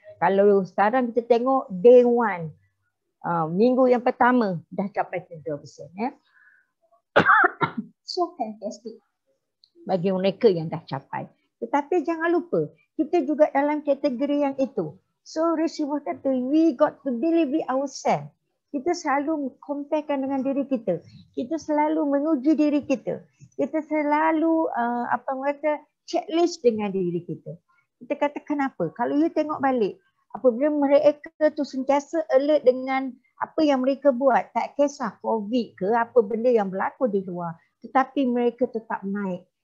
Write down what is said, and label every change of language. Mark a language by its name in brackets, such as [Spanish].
[Malay] Kalau sekarang kita tengok [English] day one, [Malay] minggu yang pertama dah capai 30%. Eh? [English] So fantastic [Malay] bagi mereka yang dah capai. Tetapi jangan lupa, kita juga dalam kategori yang itu. [English] So receiver [Malay] kata, [English] we got to believe in ourselves. [Malay] Kita selalu comparekan dengan diri kita. Kita selalu menguji diri kita. Kita selalu checklist dengan diri kita. Kita kata kenapa? Kalau you tengok balik, apabila mereka tu sentiasa alert dengan apa yang mereka buat, tak kisah COVID ke apa benda yang berlaku di luar, tetapi mereka tetap naik.